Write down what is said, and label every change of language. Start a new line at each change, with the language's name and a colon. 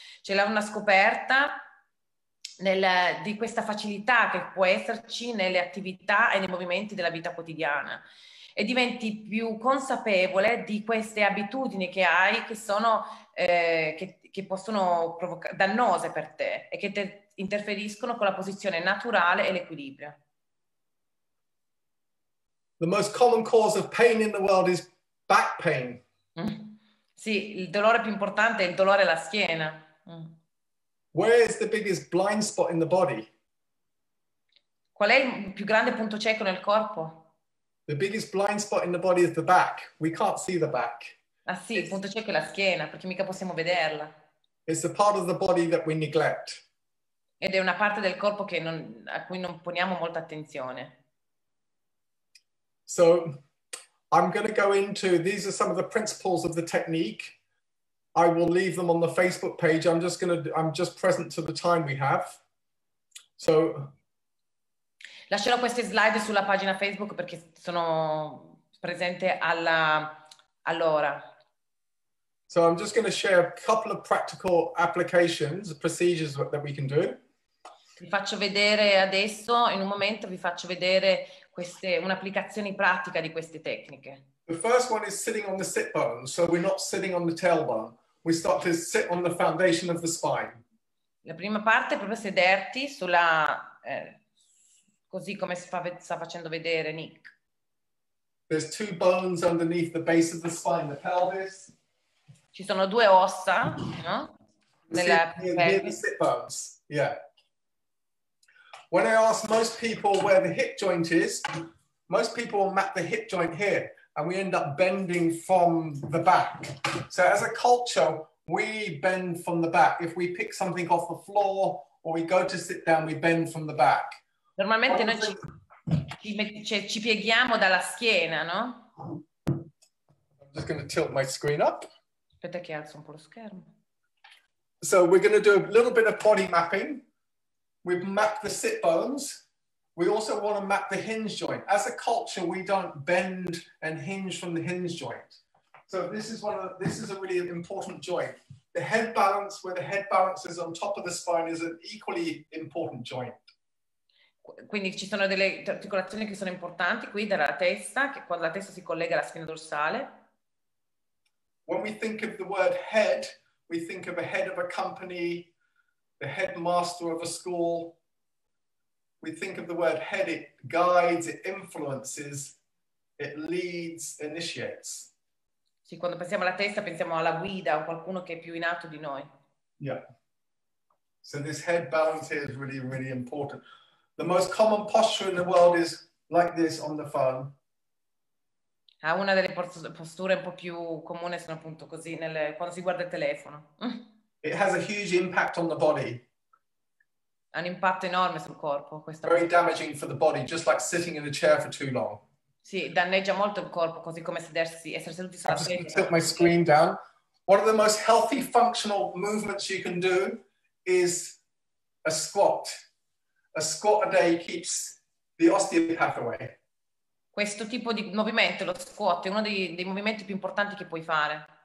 Italian: C'è una scoperta di questa facilità che può esserci nelle attività e nei movimenti della vita quotidiana. E diventi più consapevole di queste abitudini che hai che sono che possono provocare dannose per te e che te interferiscono con la posizione naturale e l'equilibrio.
English: The most common cause of pain in the world is back pain. Mm.
Italian: Sì, il dolore più importante è il dolore alla schiena.
English: Where is the biggest blind spot in the body?
Italian: Qual è il più grande punto cieco nel corpo?
English: The biggest blind spot in the body is the back. We can't see the back.
Italian: Ah sì, il punto cieco è la schiena, perché mica possiamo vederla.
English: It's the part of the body that we neglect.
Italian: Ed è una parte del corpo che non, a cui non poniamo molta attenzione.
English: So, I'm going to go into, these are some of the principles of the technique. I will leave them on the Facebook page. I'm just present to the time we have. So,
Italian: lascerò queste slide sulla pagina Facebook perché sono presente alla, all'ora.
English: So I'm just going to share a couple of practical applications, procedures that we can do.
Italian: Vi faccio vedere adesso, in un momento vi faccio vedere queste, un'applicazione pratica di queste tecniche.
English: The first one is sitting on the sit bone, so we're not sitting on the tailbone. We start to sit on the foundation of the spine.
Italian: La prima parte è proprio sederti sulla, così come sta facendo vedere Nick.
English: There's two bones underneath the base of the spine, the pelvis.
Italian: Ci sono due ossa, no? Nella pelvis.
English: Near the sit bones, yeah. When I ask most people where the hip joint is, most people map the hip joint here, and we end up bending from the back. So as a culture, we bend from the back. If we pick something off the floor or we go to sit down, we bend from the back.
Italian: Normalmente noi ci pieghiamo dalla schiena, no?
English: I'm just going to tilt my screen up.
Italian: Aspetta che alzo un po' lo schermo.
English: So we're going to do a little bit of body mapping. We've mapped the sit bones. We also want to map the hinge joint. As a culture, we don't bend and hinge from the hinge joint. So this is one of the, this is a really important joint. The head balance, where the head balance is on top of the spine, is an equally important joint.
Italian: Quindi ci sono delle articolazioni che sono importanti qui dalla testa, che quando la testa si collega alla spina dorsale.
English: When we think of the word head, we think of a head of a company. The headmaster of a school, we think of the word head, it guides, it influences, it leads, initiates.
Italian: Sì, quando pensiamo alla testa, pensiamo alla guida, a qualcuno che è più in alto di noi.
English: Yeah. So this head balance here is really, really important. The most common posture in the world is like this on the phone.
Italian: Ha una delle posture un po' più comune sono appunto così, nelle, quando si guarda il telefono.
English: It has a huge impact on the body.
Italian: Un impatto enorme sul corpo. Questa
English: very damaging for the body, just like sitting in a chair for too long.
Italian: Sì, danneggia molto il corpo, così come sedersi, essere seduti sulla sedia.
English: I'm just going to tilt my screen down. One of the most healthy functional movements you can do is a squat. A squat a day keeps the osteopath away.
Italian: Questo tipo di movimento, lo squat, è uno dei, dei movimenti più importanti che puoi fare.